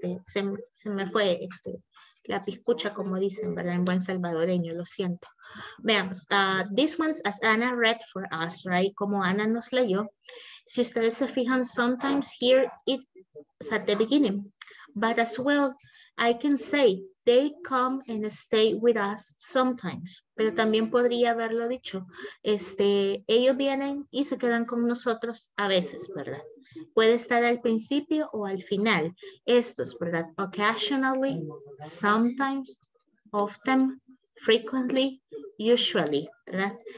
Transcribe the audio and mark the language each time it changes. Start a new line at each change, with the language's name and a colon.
Spanish: Se me fue la piscucha, como dicen, ¿verdad? En buen salvadoreño, lo siento. Veamos.
English: This one's as Ana read for us, right?
Spanish: Como Ana nos leyó. Si ustedes se fijan,
English: sometimes here it's at the beginning. But as well, I can say, they come and stay with us sometimes.
Spanish: Pero también podría haberlo dicho. Ellos vienen y se quedan con nosotros a veces, ¿verdad? Puede estar al principio o al final. Estos, ¿verdad?
English: Occasionally, sometimes, often, frequently, usually, ¿verdad?